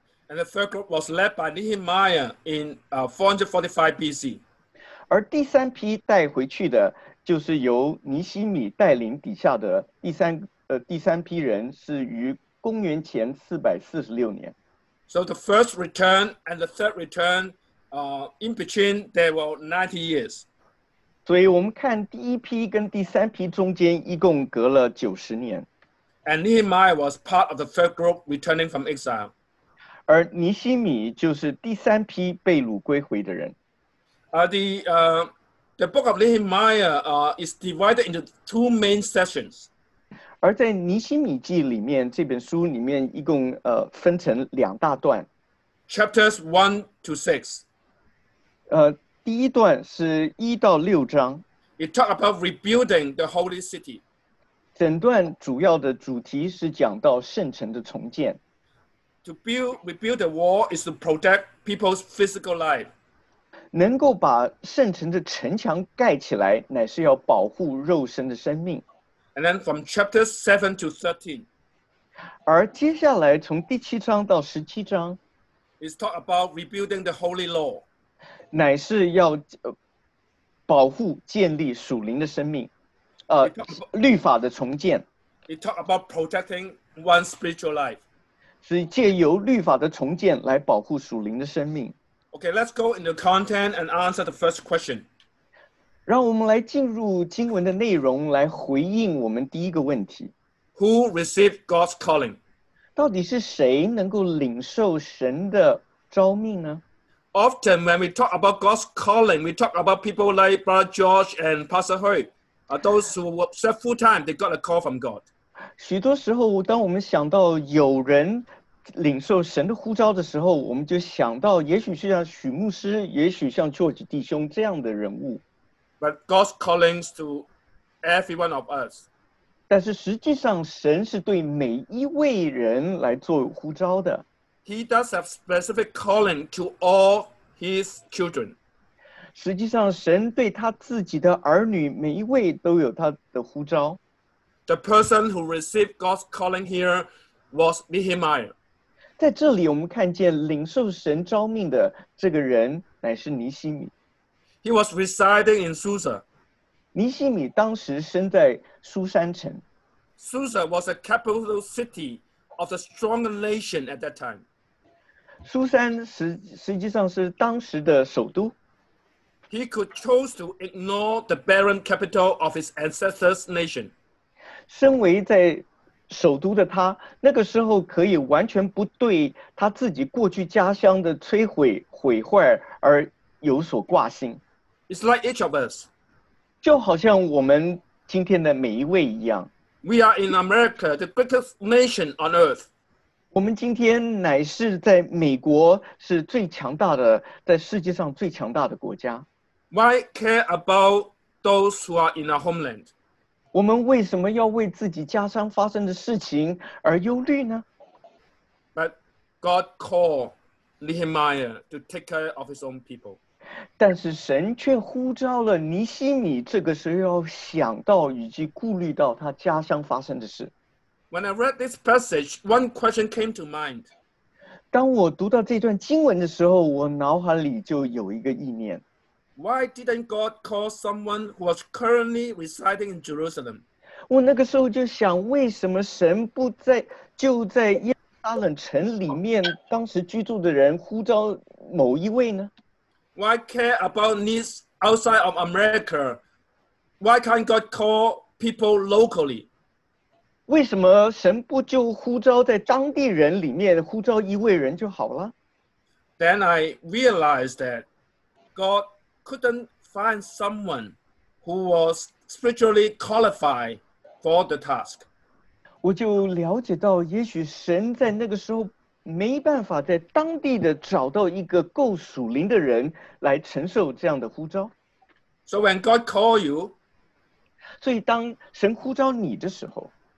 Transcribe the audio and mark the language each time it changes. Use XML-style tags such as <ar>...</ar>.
<en>And the third group was led by Nehemiah in 445 BC.</en> <zh>而第三批带回去的就是由尼希米带领底下的第三批人是于公元前446年。</zh> <en>So the first return and the third return,in between, there were 90 years.</en> <zh>所以我们看第一批跟第三批中间一共隔了90年。</zh> <en>And Nehemiah was part of the third group returning from exile.</en> <zh>而尼希米就是第三批被掳归回的人。</zh> <en>The book of Nehemiah is divided into two main sessions.</en> <zh>而在尼希米记里面，这本书里面一共分成两大段。</zh> <en>Chapters 1 to 6.</en> <zh>第一段是一到六章。</zh> <en>It talks about rebuilding the holy city.</en> <zh>整段主要的主题是讲到圣城的重建。</zh> <en>To rebuild the wall is to protect people's physical life.</en> <zh>能够把圣城的城墙盖起来，乃是要保护肉身的生命。</zh> <en>And then from chapters 7 to 13.</en> <zh>而接下来从第七章到十七章。</zh> <en>It talks about rebuilding the holy law.</en> <zh>乃是要保护建立属灵的生命律法的重建。</zh> <en>It talks about protecting one's spiritual life.</en> <zh>是借由律法的重建来保护属灵的生命。</zh> <en>Okay, let's go into content and answer the first question.</en> <zh>让我们来进入经文的内容来回应我们第一个问题。</zh> <en>Who received God's calling?</en> <zh>到底是谁能够领受神的召命呢？</zh> <en>Often when we talk about God's calling, we talk about people like Brother George and Pastor Hui, those who serve full time, they got a call from God.</en> <zh>许多时候当我们想到有人领受神的呼召的时候，我们就想到也许是像许牧师，也许像 George 弟兄这样的人物。</zh> <en>But God's calling is to every one of us.</en> <zh>但是实际上神是对每一位人来做呼召的。</zh> <en>He does have specific calling to all his children.</en> <zh>实际上神对他自己的儿女每一位都有他的呼召。</zh> <en>The person who received God's calling here was Nehemiah.</en> <zh>在这里我们看见领受神召命的这个人乃是尼希米。</zh> <en>He was residing in Susa.</en> <zh>尼希米当时身在苏珊城。</zh> <en>Susa was a capital city. Of the strong nation at that time.</en> <zh>苏珊实际上是当时的首都。</zh> <en>He could choose to ignore the barren capital of his ancestors' nation.</en> <zh>身为在首都的他，那个时候可以完全不对他自己过去家乡的摧毁毁坏而有所挂心。</zh> <en>It's like each of us.</en> <zh>就好像我们今天的每一位一样。</zh> <en>We are in America, the greatest nation on earth.</en> <zh>我们今天乃是在美国是最强大的，在世界上最强大的国家。</zh> <en>Why care about those who are in our homeland?</en> <zh>我们为什么要为自己家乡发生的事情而忧虑呢？</zh> <en>But God called Nehemiah to take care of his own people.</en> <zh>但是神却呼召了尼希米，这个时候要想到以及顾虑到他家乡发生的事。</zh> <en>When I read this passage, one question came to mind.</en> <zh>当我读到这段经文的时候，我脑海里就有一个意念。</zh> <en>Why didn't God call someone who was currently residing in Jerusalem?</en> <zh>我那个时候就想，为什么神不在就在耶路撒冷城里面当时居住的人呼召某一位呢？</zh> <en>Why care about needs outside of America? Why can't God call people locally?</en> <zh>为什么神不就呼召在当地人里面呼召一位人就好了？</zh> <en>Then I realized that God couldn't find someone who was spiritually qualified for the task.</en> <zh>我就了解到，也许神在那个时候没办法在当地的找到一个够属灵的人来承受这样的呼召。</zh> <en>So when God calls you,</en> <zh>所以当神呼召你的时候</zh>